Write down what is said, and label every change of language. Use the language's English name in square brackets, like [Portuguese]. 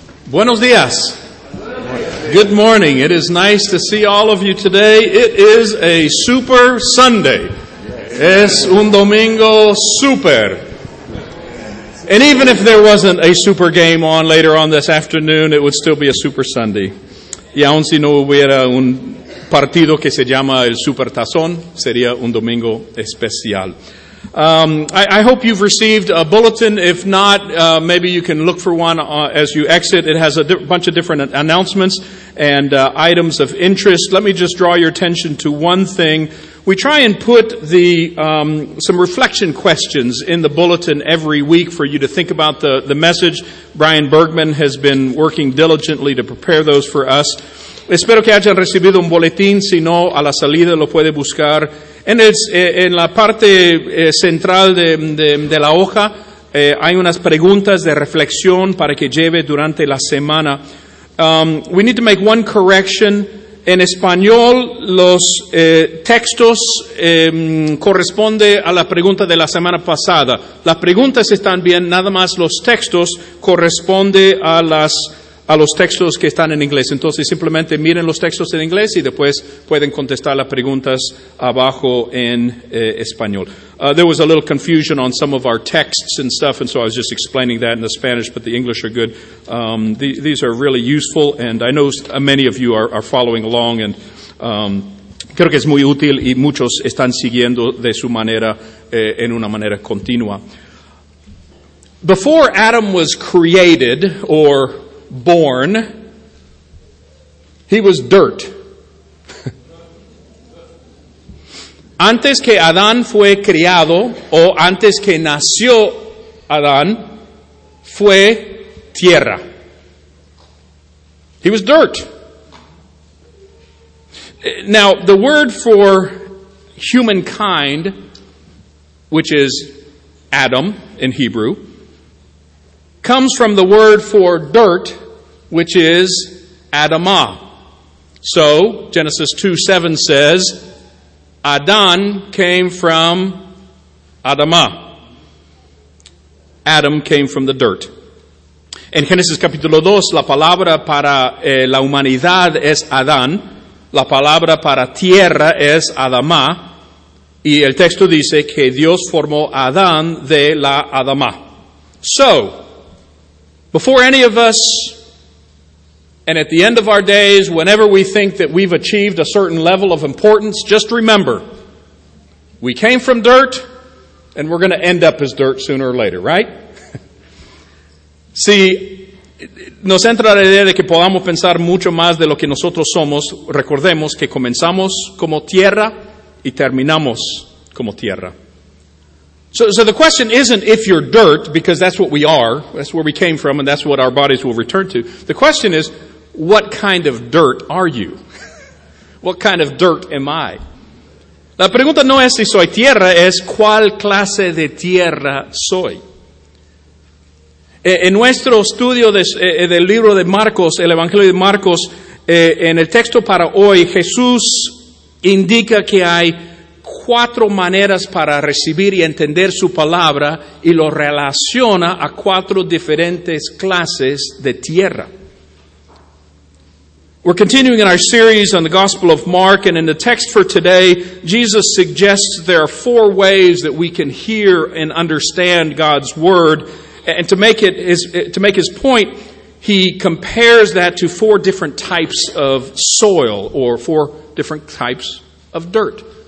[Spanish] Buenos dias. [English] Good morning. It is nice to see all of you today. It is a super Sunday. [Spanish] Es un domingo super. [English] And even if there wasn't a super game on later on this afternoon, it would still be a super Sunday. [Spanish] Y aun si no hubiera un partido que se llama el super tazón, sería un domingo especial. [English] I hope you've received a bulletin. If not, maybe you can look for one as you exit. It has a bunch of different announcements and items of interest. Let me just draw your attention to one thing. We try and put the some reflection questions in the bulletin every week for you to think about the message. Brian Bergman has been working diligently to prepare those for us. [Spanish] Espero que hayan recibido un boletín. Si no, a la salida lo puede buscar. [English] And it's [Spanish] en la parte central de la hoja hay unas preguntas de reflexión para que lleve durante la semana. [English] We need to make one correction. [Spanish] En español, los textos corresponden a la pregunta de la semana pasada. Las preguntas están bien, nada más los textos corresponden a los textos que están en inglés. Entonces, simplemente miren los textos en inglés y después pueden contestar las preguntas abajo en español. [English] There was a little confusion on some of our texts and stuff, and so I was just explaining that in the Spanish, but the English are good. These are really useful, and I know many of you are following along, and [Spanish] creo que es muy útil y muchos están siguiendo de su manera, en una manera continua. [English] Before Adam was created, or born, he was dirt. [Spanish] Antes que Adán fue criado, o antes que nació Adán, fue tierra. [English] He was dirt. Now, the word for humankind, which is Adam in Hebrew, comes from the word for dirt, which is Adama. So, Genesis 2:7 says, Adan came from Adama. Adam came from the dirt. [Spanish] En Génesis capítulo 2, la palabra para la humanidad es Adán. La palabra para tierra es Adama. Y el texto dice que Dios formó Adán de la Adama. [English] So, before any of us, and at the end of our days, whenever we think that we've achieved a certain level of importance, just remember, we came from dirt, and we're going to end up as dirt sooner or later, right? [Spanish] Si nos entra la idea de que podamos pensar mucho más de lo que nosotros somos, recordemos que comenzamos como tierra y terminamos como tierra. [English] So the question isn't if you're dirt, because that's what we are, that's where we came from, and that's what our bodies will return to. The question is, what kind of dirt are you? What kind of dirt am I? [Spanish] La pregunta no es si soy tierra, es ¿cuál clase de tierra soy? En nuestro estudio del libro de Marcos, el Evangelio de Marcos, en el texto para hoy, Jesús indica que hay cuatro maneras para recibir y entender su palabra y lo relaciona a cuatro diferentes clases de tierra. [English] We're continuing in our series on the Gospel of Mark, and in the text for today, Jesus suggests there are four ways that we can hear and understand God's Word. And to make his point, he compares that to four different types of soil, or four different types of dirt.